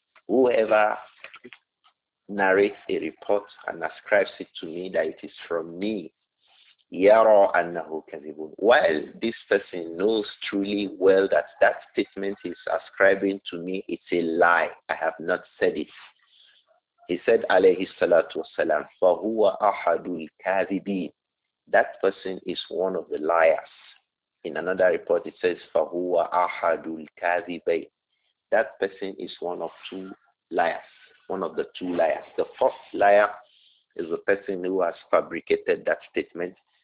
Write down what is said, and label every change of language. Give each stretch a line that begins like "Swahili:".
English: Whoever narrates a report and ascribes it to me that it is from me,
Arabic: يَرَى أَنَّهُ كَذِبٌ.
English: While this person knows truly well that that statement is ascribing to me, it's a lie. I have not said it. He said,
Arabic: عليه الصلاة والسلام, فَهُوَ أَحَدُ الْكَاذِبِينَ.
English: That person is one of the liars. In another report, it says,
Arabic: فَهُوَ أَحَدُ الْكَاذِبِينَ.
English: That person is one of two liars, one of the two liars. The first liar is the person who has fabricated that statement.